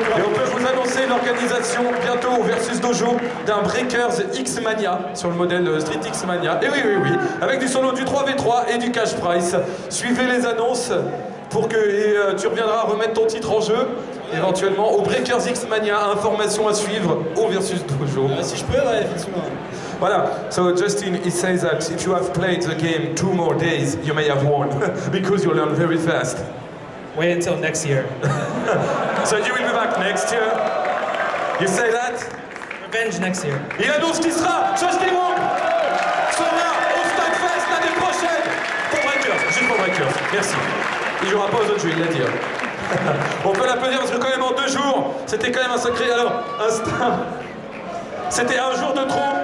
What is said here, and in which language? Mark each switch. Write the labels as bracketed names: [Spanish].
[French] Et on peut vous annoncer l'organisation bientôt au Versus Dojo d'un Breakers X-Mania sur le modèle Street X-Mania. Et oui, oui, oui, avec du solo, du 3v3 et du cash price. Suivez les annonces pour que tu reviendras remettre ton titre en jeu, éventuellement au Breakers X-Mania. Information à suivre au Versus Dojo. Si je peux, ouais, effectivement. [English] Voilà, so Justin, he says that if you have played the game 2 more days, you may have won, because you learn very fast. Wait until next year. So you will be back next year. You say that? Revenge next year. [French] Il annonce qui sera Justin Wong sera au Stock Fest l'année prochaine pour Breakers, juste pour Breakers. Merci. Il jouera pas aux autres jeux, il l'a dit. On peut l'applaudir parce que quand même en deux jours, c'était quand même un sacré. Alors, instinct. C'était un jour de trop.